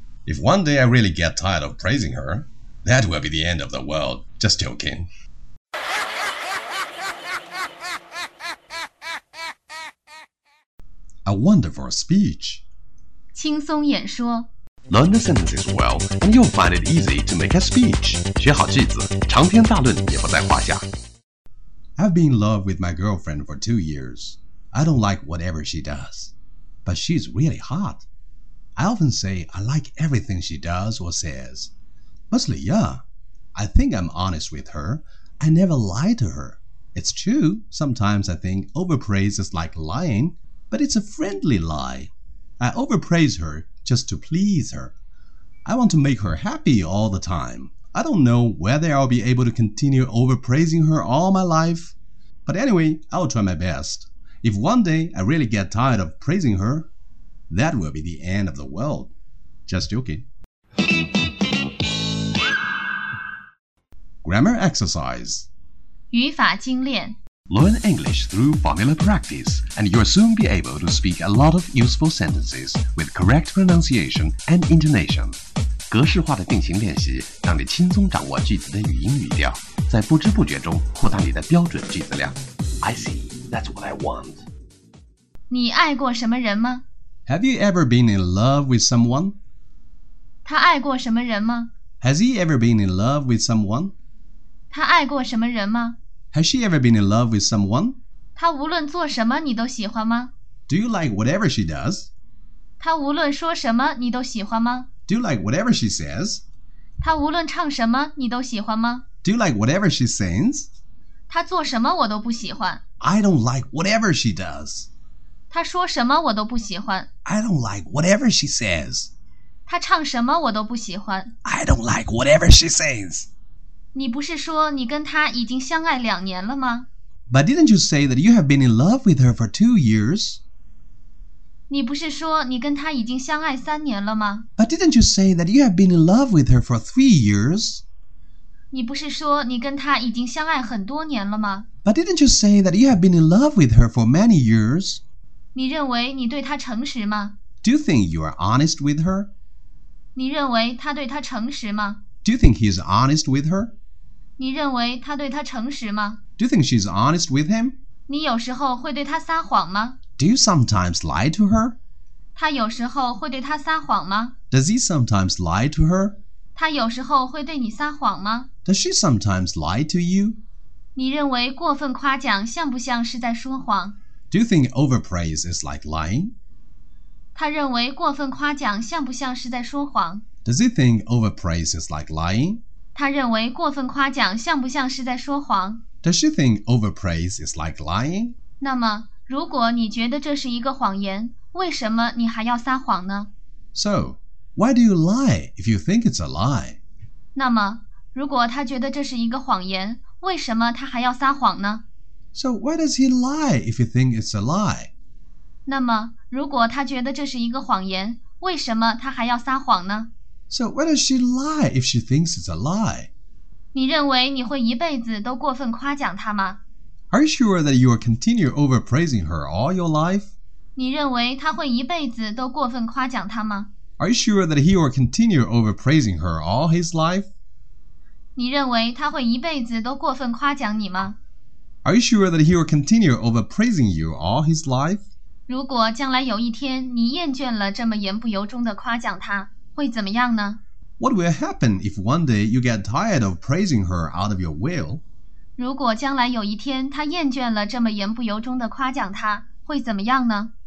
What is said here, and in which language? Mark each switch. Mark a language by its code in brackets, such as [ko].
[en] If one day I really get tired of praising her, that will be the end of the world. Just joking. A wonderful speech. [zh] 轻松演说。 [en] Learn the sentences well, and you'll find it easy to make a speech. [zh] 学好句子，长篇大论也不在话下。 [en] I've been in love with my girlfriend for 2 years. I don't like whatever she does, but she's really hot. I often say I like everything she does or says. Mostly, yeah. I think I'm honest with her. I never lie to her. It's true, sometimes I think overpraise is like lying,But it's a friendly lie. I overpraise her just to please her. I want to make her happy all the time. I don't know whether I'll be able to continue overpraising her all my life. But anyway, I'll try my best. If one day I really get tired of praising her, that will be the end of the world. Just joking. Grammar exercise. [zh] 语法精炼。 [en] Learn English through formula practice, and you'll soon be able to speak a lot of useful sentences with correct pronunciation and intonation. [zh] 格式化的定型练习让你轻松掌握句子的语音语调，在不知不觉中扩大你的标准句子量。 [en] I see, that's what I want. [zh] 你爱过什么人吗？ [en] Have you ever been in love with someone? [zh] 他爱过什么人吗？ [en] Has he ever been in love with someone? [zh] 他爱过什么人吗？ [en] Has she ever been in love with someone? [zh] 她无论做什么你都喜欢吗? [en] Do you like whatever she does? [zh] 她无论说什么你都喜欢吗? [en] Do you like whatever she says? [zh] 她无论唱什么你都喜欢吗? [en] Do you like whatever she sings? [zh] 她做什么我都不喜欢。 [en] I don't like whatever she does. [zh] 她说什么我都不喜欢。 [en] I don't like whatever she says. [zh] 她唱什么我都不喜欢。 [en] I don't like whatever she sings. [zh] 你不是说你跟她已经相爱两年了吗? [en] But didn't you say that you have been in love with her for 2 years? [zh] 你不是说你跟她已经相爱三年了吗? [en] But didn't you say that you have been in love with her for 3 years? [zh] 你不是说你跟她已经相爱很多年了吗? [en] But didn't you say that you have been in love with her for many years? [zh] 你认为你对她诚实吗? [en] Do you think you are honest with her? [zh] 你认为她对她诚实吗? [en] Do you think he is honest with her? [zh] 你认为他对他诚实吗? [en] Do you think she is honest with him? [zh] 你有时候会对他撒谎吗? [en] Do you sometimes lie to her? [zh] 他有时候会对他撒谎吗? [en] Does he sometimes lie to her? [zh] 他有时候会对你撒谎吗? [en] Does she sometimes lie to you? [zh] 你认为过分夸奖像不像是在说谎? [en] Do you think overpraise is like lying? [zh] 他认为过分夸奖像不像是在说谎? [en] Does he think overpraise is like lying? [zh] 他认为过分夸奖像不像是在说谎? [en] Does she think overpraise is like lying? [zh] 那么,如果你觉得这是一个谎言,为什么你还要撒谎呢? [en] So, why do you lie if you think it's a lie? [zh] 那么,如果他觉得这是一个谎言,为什么他还要撒谎呢? [en] So, why does he lie if you think it's a lie? [zh] 那么,如果他觉得这是一个谎言,为什么他还要撒谎呢? [en] So why does she lie if she thinks it's a lie? [zh] 你认为你会一辈子都过分夸奖她吗? [en] Are you sure that you will continue overpraising her all your life? [zh] 你认为他会一辈子都过分夸奖她吗？ [en] Are you sure that he will continue overpraising her all his life? [zh] 你认为他会一辈子都过分夸奖你吗？ [en] Are you sure that he will continue overpraising you all his life? [zh] 如果将来有一天你厌倦了这么言不由衷地夸奖她，会怎么样呢？ [en] What will happen if one day you get tired of praising her out of your will? [zh] 如果将来有一天她厌倦了这么言不由衷地夸奖她，会怎么样呢？